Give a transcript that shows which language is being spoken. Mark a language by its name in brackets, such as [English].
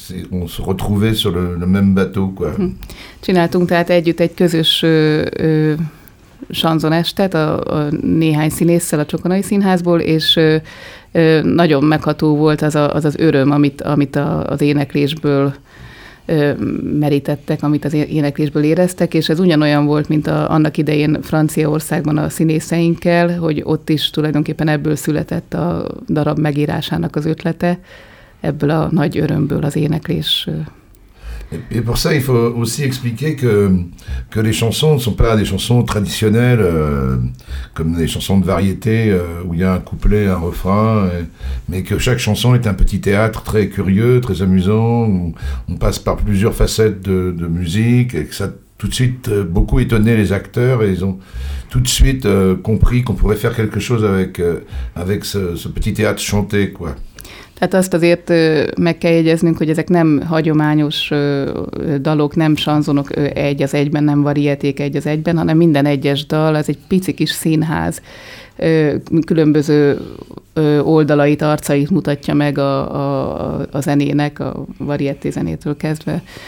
[French] On se retrouvait sur le même bateau quoi. [Hungarian] Csináltunk tehát együtt egy közös sanzon estet a néhány színésszel a Csokonai Színházból, és nagyon megható volt az öröm, amit az éneklésből merítettek, amit az éneklésből éreztek, és ez ugyanolyan volt, mint annak idején Franciaországban a színészeinkkel, hogy ott is tulajdonképpen ebből született a darab megírásának az ötlete, ebből a nagy örömből az éneklés. [French] Et pour ça, il faut aussi expliquer que les chansons ne sont pas des chansons traditionnelles, comme des chansons de variété, où il y a un couplet, un refrain, mais que chaque chanson est un petit théâtre très curieux, très amusant, où on passe par plusieurs facettes de musique, et que ça a tout de suite beaucoup étonné les acteurs, et ils ont tout de suite compris qu'on pourrait faire quelque chose avec ce petit théâtre chanté, quoi. [Hungarian] Tehát azt azért meg kell jegyeznünk, hogy ezek nem hagyományos dalok, nem sanzonok egy az egyben, nem varieték egy az egyben, hanem minden egyes dal, ez egy pici kis színház, különböző oldalait, arcait mutatja meg a zenének, a varieté zenétől kezdve.